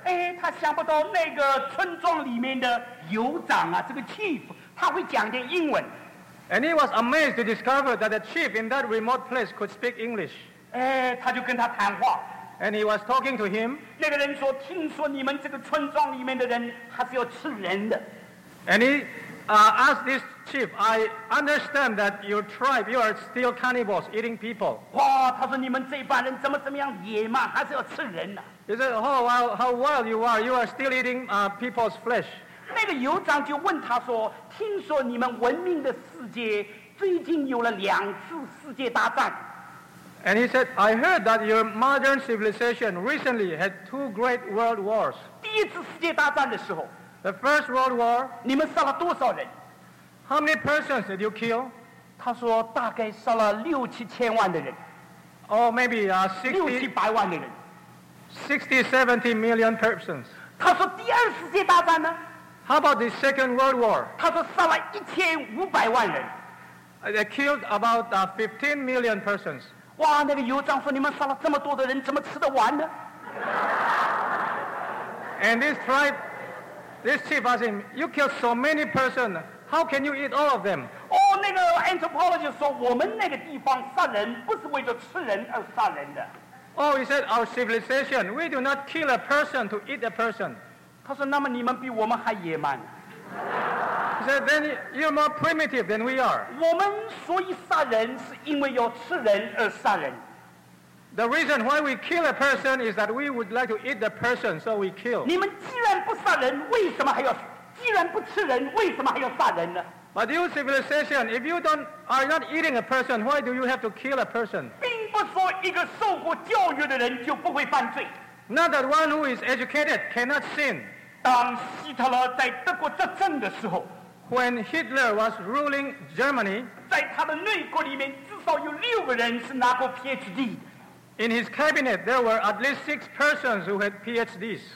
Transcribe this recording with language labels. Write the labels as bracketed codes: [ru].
[zh] 哎，他想不到那个村庄里面的酋长啊这个 chief 他会讲点英文 [en] And he was amazed to discover that the chief in that remote place could speak English [zh] 哎，他就跟他谈话 [en] And he was talking to him. [zh] 那个人说，听说你们这个村庄里面的人他是要吃人的。 [en] And he asked this chief, I understand that your tribe, you are still cannibals, eating people. [zh] 哇，他说你们这帮人怎么怎么样野蛮，还是要吃人呢、啊、 [en] ？He said, Oh, well, how wild you are still eating people's flesh. [zh] 那个酋长就问他说，听说你们文明的世界最近有了两次世界大战。 [en] And he said, I heard that your modern civilization recently had two great world wars. [zh] 第一次世界大战的时候 [en] The first world war. [zh] 你们杀了多少人？ [en] How many persons did you kill? [zh] 他说大概杀了六七千万的人。 [en] Or maybe 60... [zh] 六七百万的人。 [en] 60, 70 million persons. [zh] 他说第二次世界大战呢？ [en] How about the second world war? [zh] 他说杀了一千五百万人。 [en] They killed about 15 million persons. [zh] 哇，那个酋长说：“你们杀了这么多的人，怎么吃得完呢？” [en] And this tribe, this chief asked him, "You killed so many persons. How can you eat all of them?" [zh] 哦，那个 anthropologist 说：“我们那个地方杀人不是为了吃人而杀人的。” [en] Oh, he said, "Our civilization, we do not kill a person to eat a person." [zh] 他说：“那么你们比我们还野蛮。” [en] He said, "Then you're more primitive than we are." [zh] 我们所以杀人是因为要吃人而杀人。 [en] The reason why we kill a person is that we would like to eat the person, so we kill. [zh] 你们既然不杀人，为什么还要？既然不吃人，为什么还要杀人呢？ [en] But you civilization, if you are not eating a person, why do you have to kill a person? [zh] 并不说一个受过教育的人就不会犯罪。 [en] Not that one who is educated cannot sin. [zh] 当希特勒在德国执政的时候 [en] When Hitler was ruling Germany [zh] 在他的内阁里面至少有六个人是拿过 PhD [en] In his cabinet there were at least six persons who had PhDs